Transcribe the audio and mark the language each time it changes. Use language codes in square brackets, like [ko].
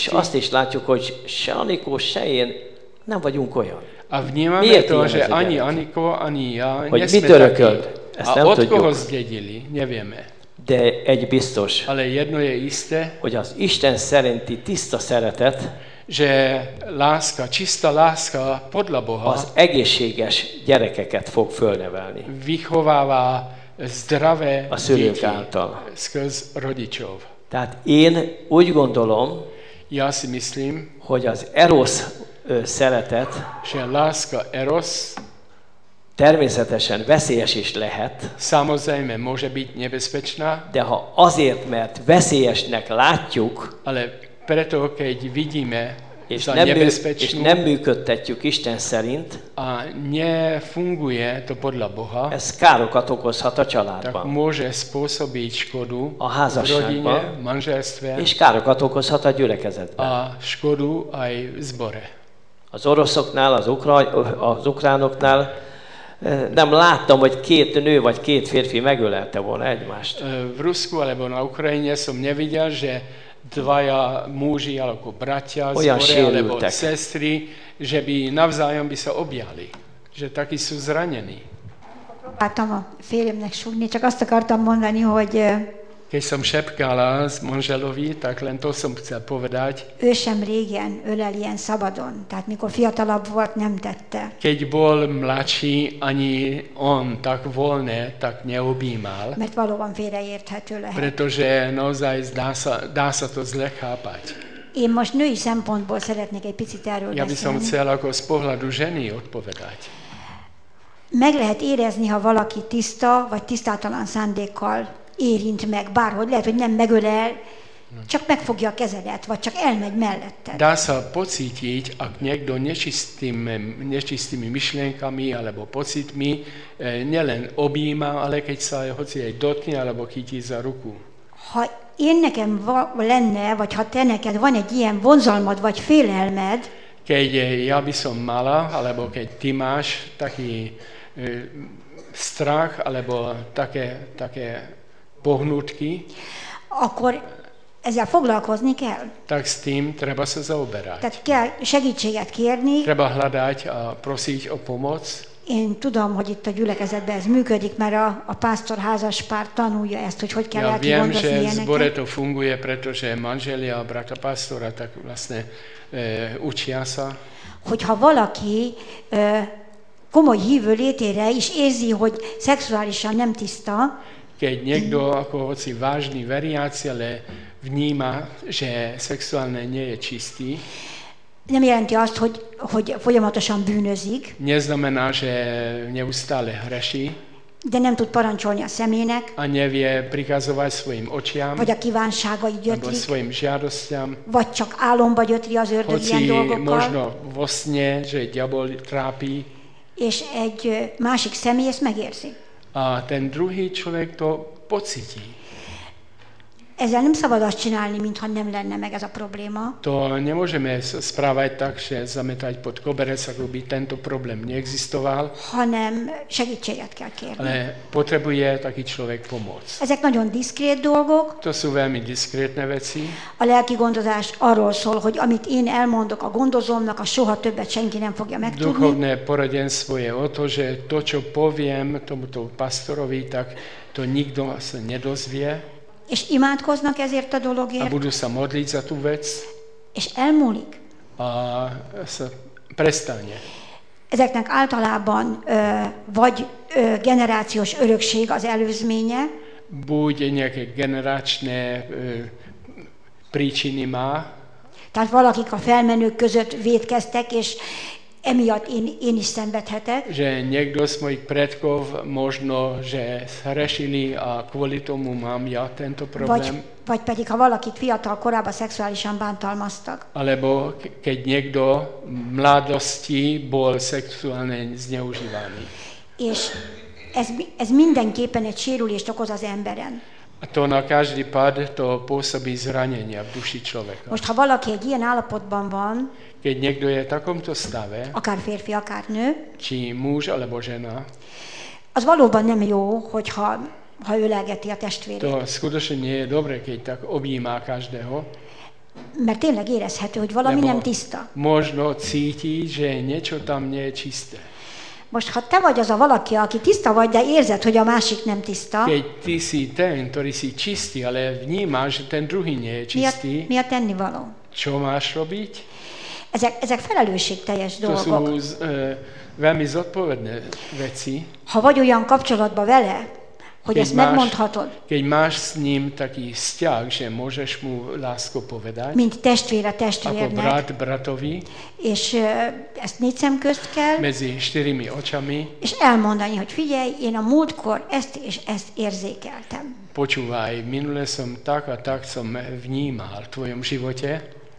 [hu] És azt is látjuk, hogy se Anikó, se én nem vagyunk olyan. [sk] A vnímame [hu] miért [sk] to, že ani Anikó, ani ja [hu] hogy mit örökölt? Ezt a nem [sk] od [hu] tudjuk. [sk] Koho zdedili? Nevieme. [hu] De egy biztos. [sk] Ale jedno je isté. [hu] Hogy az Isten szerinti tiszta szeretet, [sk] že láska, čistá láska podľa Boha. [hu] Az egészséges gyerekeket fog fölnevelni. [sk] Vychováva zdravé [hu] a szülők által. [sk] Skrz rodičov. [hu] Tehát én úgy gondolom, [sk] ja si myslím, [hu] hogy az erosz szeretet, [sk] že láska eros, [hu] természetesen veszélyes is lehet. [sk] Samozrejme, môže byť nebezpečná. [hu] De ha azért, mert veszélyesnek látjuk, [sk] ale preto, keď vidíme, [hu] és nem, [sk] nebezpečnú, [hu] és nem működtetjük Isten szerint, [sk] a nefunguje to podľa Boha, [hu] ez károkat okozhat a családban. [sk] Tak môže spôsobiť škodu [hu] a házasságban, rodine, [sk] manželstve, [hu] és károkat okozhat a gyülekezetben. [sk] A škodu aj v zbore. [hu] Az oroszoknál, az ukránoknál nem láttam, hogy két nő vagy két férfi megölelte volna egymást. [sk] V Rusku alebo na Ukrajine som nevidel, že dvaja muži alebo bratia [hu] olyan [sk] zbore sérültek, alebo sestry, že by navzájom by sa objali, že taky sú zranení. [hu] Próbáltam a férjemnek súgni, csak azt akartam mondani, hogy [sk] keď som šepkala s manželovi, tak len to som chcel povedať. [hu] Ő sem régen ölel ilyen szabadon, tehát mikor fiatalabb volt, nem tette. [sk] Keď bol mladší, ani on tak voľne, tak neobjímal. [hu] Mert valóban félreérthető lehet. [sk] Pretože naozaj dá sa to zle chápať. [hu] Én most női szempontból szeretnék egy picit erről beszélni. [sk] Ja by som chcel ako z pohľadu ženy odpovedať. [hu] Meg lehet érezni, ha valaki tiszta, vagy tisztátalan szándékkal érint meg, bárhogy lehet, hogy nem megölel, csak megfogja a kezedet, vagy csak elmegy mellette. [sk] Dá sa pocítiť, ak niekto nečistými myšlienkami alebo pocitmi nielen objíma, ale keď sa hoci aj dotkne alebo chytí za ruku. [hu] Ha én nekem lenne, vagy ha te neked van egy ilyen vonzalmad, vagy félelmed, [sk] keď ja by som mala, alebo keď ty máš taký strach, alebo také pohnutky, [hu] akkor ezzel foglalkozni kell. [sk] Tak s tým treba sa zaoberať. [hu] Tehát kell segítséget kérni. [sk] Treba hľadať a prosiť o pomoc. [hu] Én tudom, hogy itt a gyülekezetben ez működik, mert a pásztor házas pár tanulja ezt, hogy kell elkimondozni ilyeneket. [sk] Ja viem, že v zbore to funguje, pretože manželia a brata pastora tak vlastne učia sa. [hu] Hogyha valaki komoly hívő létére is érzi, hogy szexuálisan nem tiszta, [sk] keď niekto, ako hoci vážny veriaci, ale vníma, že sexuálne nie je čistý. [hu] Nem jelenti azt, hogy folyamatosan bűnözik. [sk] Neznamená, že neustále hreší. [hu] De nem tud parancsolni a szemének. [sk] A nevie prikazovať svojim očiam. [hu] Vagy a kívánságai gyötrik. [sk] Abo svojim žiadostiam. [hu] Vagy csak álomba gyötri az ördög ilyen dolgokkal. [sk] Hoci možno vo sne, že diabol trápi. [hu] És egy másik személy ezt megérzi. [sk] A ten druhý človek to pocití. [hu] Ezzel nem szabad azt csinálni, mintha nem lenne meg ez a probléma. [sk] To nemôžeme správať tak, že zametať pod koberec, ako by tento problém neexistoval. [hu] Hanem segítséget kell kérni. [sk] Ale potrebuje taký človek pomoc. [hu] Ezek nagyon diszkrét dolgok. [sk] To sú veľmi diszkrétne veci. [hu] A lelki gondozás arról szól, hogy amit én elmondok a gondozómnak, a soha többet senki nem fogja megtudni. [sk] Duchovné poradenstvo je o to, že to, čo poviem tomuto pastorovi, tak to nikto sa nedozvie. [hu] És imádkoznak ezért a dologért. [sk] A budú sa modliť za tú vec. [hu] És elmúlik. [sk] A sa prestane. [hu] Ezeknek általában vagy generációs örökség az előzménye. [sk] Buď nejaké generačné príčiny má. [hu] Tehát valakik a felmenők között vétkeztek, és emiatt én is szenvedhetek. [sk] Že niekto z mojich predkov možno, že hrešili a kvôli tomu mám ja tento problém. [hu] Vagy pedig, ha valakit fiatal korában szexuálisan bántalmaztak. [sk] Alebo keď niekto mladosti bol sexuálne zneužívaný. [hu] És ez mindenképpen egy sérülést okoz az emberen. [sk] A to na každý pád to pôsobí zranenia v duši človeka. [hu] Most ha valaki egy ilyen állapotban van, [sk] keď niekto je v takomto stave, [hu] akár férfi, akár nő, [sk] či muž alebo žena, [hu] az valóban nem jó, hogyha ölelgeti a testvérét. [sk] To skutočne nie je dobre, keď tak objímá každého. [hu] Mert tényleg érezhető, hogy valami nem tiszta. [sk] Možno cíti, že niečo tam nie je čisté. [hu] Most ha te vagy az a valaki, aki tiszta vagy, de érzed, hogy a másik nem tiszta. [sk] Keď ty si ten, ktorý si čistý, ale vnímáš, že ten druhý nie je čistý. [hu] Mi a tennivaló? [sk] čo máš robiť? [hu] Ezek felelősségteljes dolgok. [sk] To sú veľmi zodpovedné veci. [hu] Ha vagy olyan kapcsolatban vele, hogy ezt megmondhatod. [sk] Keď máš s ním taký vzťah, že môžeš mu lásku povedať. [hu] Mint testvér a testvérnek. [sk] Ako brat bratovi. [hu] És ezt négy szem közt kell. [sk] Medzi štyrmi očami. [hu] És elmondani, hogy figyelj, én a múltkor ezt és ezt érzékeltem. [sk] Počúvaj, minule som tak a tak som vnímal v tvojom živote.